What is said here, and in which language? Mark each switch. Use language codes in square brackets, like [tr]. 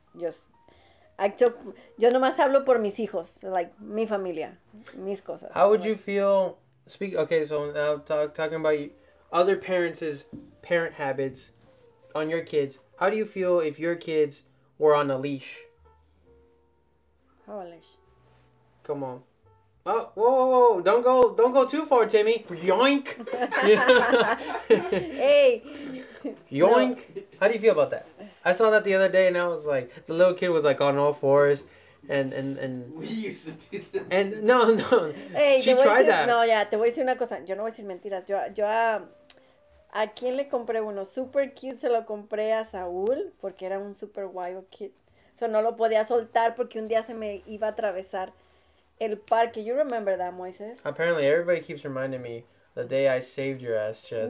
[es] Just, yo nomás hablo por mis hijos, like, mi familia, mis cosas. [en] How would you feel, talking about other parents' parent habits on your kids, how do you feel if your kids... We're on a leash. How a leash? Come on. Oh, whoa. Don't go too far, Timmy. Yoink. Hey. Yoink. No. How do you feel about that? I saw that the other day, and I was like, the little kid was like on all fours, and we used to do that. And no. Hey, she tried that. [es] No, ya, te voy a decir una cosa. Yo no voy a decir mentiras. ¿A quién le compré uno? [en] Super cute, [es] se lo compré a Saúl, porque era un [en] super wild kid. [es] O sea, no lo podía soltar porque un día se me iba a atravesar el parque. [en] You remember that, Moises? Apparently, everybody keeps reminding me the day I saved your ass, Chet.